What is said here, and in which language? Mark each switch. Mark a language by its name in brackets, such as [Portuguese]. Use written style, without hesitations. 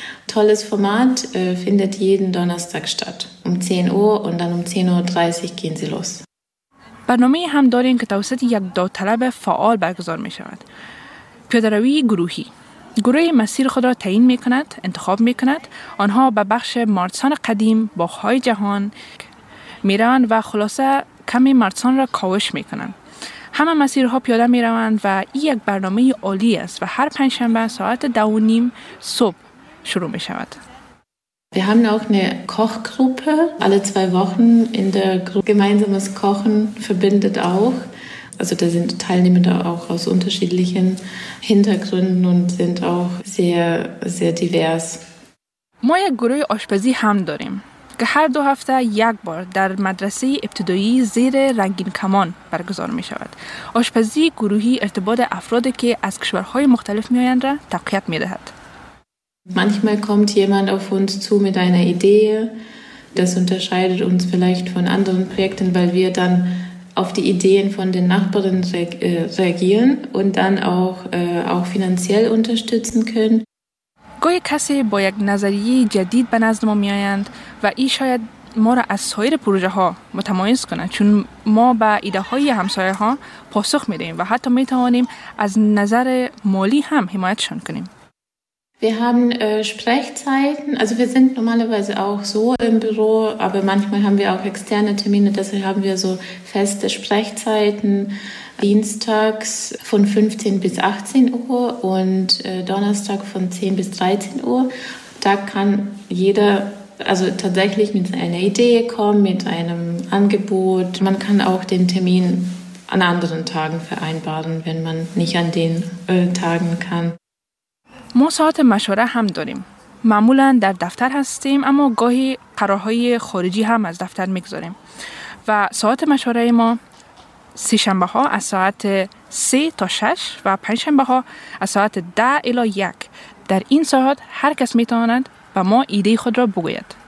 [German] Tolles Format, findet jeden Donnerstag statt, um 10 Uhr und dann um 10.30 Uhr gehen sie los. [Persian] برنامه هم داریم که توسط یک داوطلب فعال برگزار می شود. پیاده‌روی گروهی. گروه مسیر خود را تعیین می کند، انتخاب می کند. آنها به بخش مارتسان قدیم، باغ‌های جهان، میروند و خلاصه کمی مارتسان را کاوش میکنند. همه مسیرها پیاده میروند و این یک برنامه عالی است و هر پنجشنبه ساعت 2:30 صبح شروع میشود. [German] Wir haben auch eine Kochgruppe. Alle zwei Wochen in der Gruppe gemeinsames Kochen verbindet auch. Also da sind Teilnehmer da auch aus unterschiedlichen Hintergründen und sind auch sehr, sehr divers. [Persian] ما یک گروه آشپزی هم داریم. که هر دو هفته یک بار در مدرسه ابتدایی زیر رنگین کمان برگزار می شود. آشپزی گروهی ارتباط افراد که از کشورهای مختلف می آیند را تقویت می دهد. [German] Manchmal kommt jemand auf uns zu mit einer Idee. Das unterscheidet uns vielleicht von anderen Projekten, weil wir dann auf die Ideen von den Nachbarinnen reagieren und dann auch finanziell unterstützen können. [Persian] گاهی کسی با یک نظریه جدید به نزد ما می آیند و ای شاید ما را از سایر پروژه ها متمایز کند، چون ما به ایده های همسایه ها پاسخ می دهیم و حتی می توانیم از نظر مالی هم حمایتشان کنیم. [German] Wir haben Sprechzeiten, also wir sind normalerweise auch so im Büro, aber manchmal haben wir auch externe Termine, deshalb haben wir so feste Sprechzeiten, dienstags von 15 bis 18 Uhr und Donnerstag von 10 bis 13 Uhr. Da kann jeder also tatsächlich mit einer Idee kommen, mit einem Angebot. Man kann auch den Termin an anderen Tagen vereinbaren, wenn man nicht an den Tagen kann. [Persian] ما ساعت مشوره هم داریم. معمولا در دفتر هستیم، اما گاهی قرارهای خارجی هم از دفتر میگذاریم. و ساعت مشوره ما سه شنبه ها از ساعت 3 تا 6 و پنج شنبه ها از ساعت 10 الی 1. در این ساعت هر کس میتواند با ما ایده خود را بگوید.